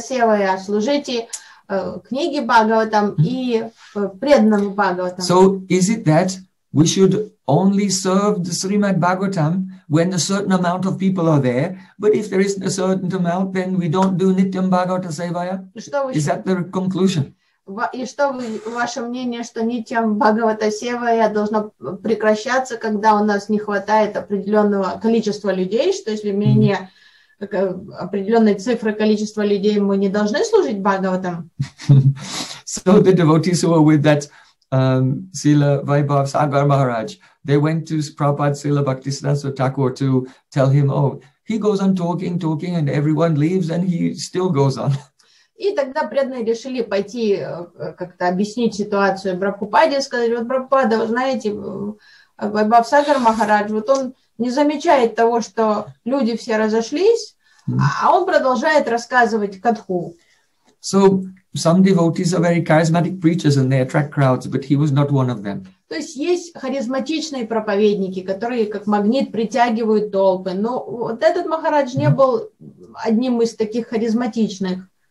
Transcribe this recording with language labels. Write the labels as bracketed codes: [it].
[ru] Севая, служите книге Бхагаватам и преданному Бхагаватам. [en] So is it that we should only serve the Srimad Bhagavatam when a certain amount of people are there, but if there isn't a certain amount, then we don't do Nityam Bhagavata Севая? Is that the conclusion? [ru] И что вы, ваше мнение, что Нитям Бхагавата Севая должно прекращаться, когда у нас не хватает определенного количества людей, что если менее определенной цифры количества людей мы не должны служить Бхагаватам. [en] So the devotees who were with that Srila Vaibhav Sagar Maharaj, they went to Prabhupada Srila Bhaktisiddhanta Thakur to tell him, oh, he goes on talking, and everyone leaves, and he still goes on. [ru] И тогда преданные решили пойти как-то объяснить ситуацию Прабхупаде, сказать, вот Прабхупада, вы знаете, Вайбав Сагар Махарадж, вот он не замечает того, что люди все разошлись, а он продолжает рассказывать катху. [en] So, some devotees are very charismatic preachers and they attract crowds, but he was not one of them. [ru] То есть есть харизматичные проповедники, которые как магнит притягивают толпы, но вот этот Махарадж не был одним из таких харизматичных.